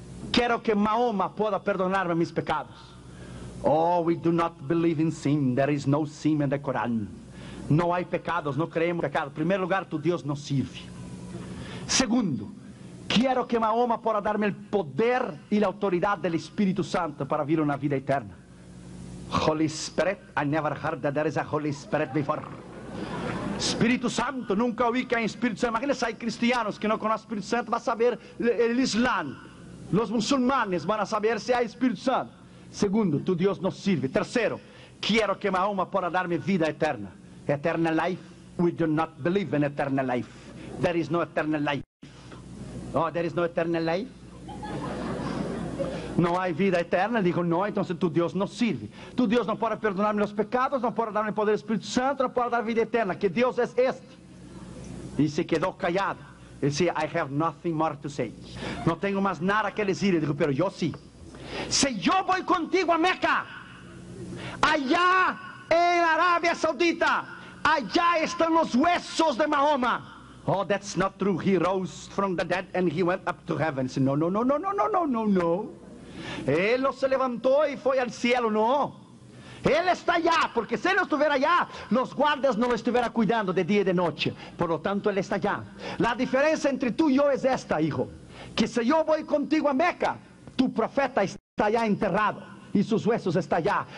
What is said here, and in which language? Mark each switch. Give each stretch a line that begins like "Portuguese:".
Spanish: Quiero que Mahoma pueda perdonarme mis pecados.
English: Oh, we do not believe in sin. There is no sin in the Quran.
Spanish: No hay pecados, no creemos en pecados. En primer lugar, tu Dios no sirve. Segundo, quiero que Mahoma pueda darme el poder y la autoridad del Espíritu Santo para vivir una vida eterna.
English: Holy Spirit, I never heard that there is a Holy Spirit before.
Spanish: Espíritu Santo, nunca oí que hay Espíritu Santo. Imagínense, hay cristianos que no conocen el Espíritu Santo, va a saber el Islam. Los musulmanes van a saber si hay Espíritu Santo. Segundo, tu Dios no sirve. Tercero, quiero que Mahoma pueda darme vida eterna.
English: Eternal life, we do not believe in eternal life. There is no eternal life. Oh, there is no eternal life.
Spanish: No hay vida eterna. Dijo, no, entonces tu Dios no sirve. Tu Dios no puede perdonarme los pecados, no puede darme el poder del Espíritu Santo, no puede dar vida eterna. ¿Qué Dios es este? Y se quedó callado. Y decía,
English: I have nothing more to say.
Spanish: No tengo más nada que decir. Y dijo, pero yo sí. Si yo voy contigo a Meca, allá en Arabia Saudita, allá están los huesos de Mahoma.
English: Oh, that's not true. He rose from the dead and he went up to heaven. Said, no, no, no, no, no, no, no, no, no.
Spanish: Él no se levantó y fue al cielo, no. Él está allá, porque si él no estuviera allá, los guardias no lo estuvieran cuidando de día y de noche. Por lo tanto, él está allá. La diferencia entre tú y yo es esta, hijo. Que si yo voy contigo a Meca, tu profeta está allá enterrado y sus huesos están allá.